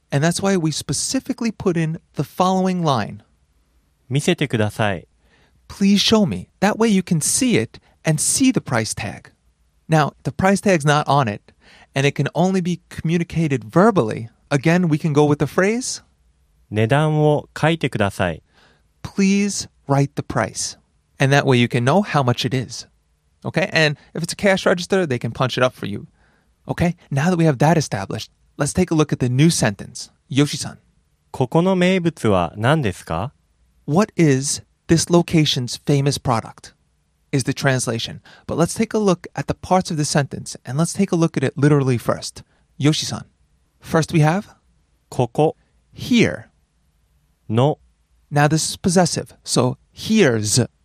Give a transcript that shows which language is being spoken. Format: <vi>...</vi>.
<en>And that's why we specifically put in the following line.</en> <ja>見せてください</ja> <en>Please show me. That way you can see it and see the price tag. Now, the price tag's not on it, and it can only be communicated verbally. Again, we can go with the phrase,</en> <ja>値段を書いてください。</ja> <en>Please write the price. And that way you can know how much it is. Okay? And if it's a cash register, they can punch it up for you. Okay? Now that we have that established, let's take a look at the new sentence. Yoshi-san.</en> <ja>ここの名物は何ですか?</ja> <en>What is this location's famous product? Is the translation. But let's take a look at the parts of the sentence and let's take a look at it literally first. Yoshi-san. First we have</en> <ja>ここ</ja> <en>here</en> <ja>の</ja> <en>Now this is possessive. So here's</en>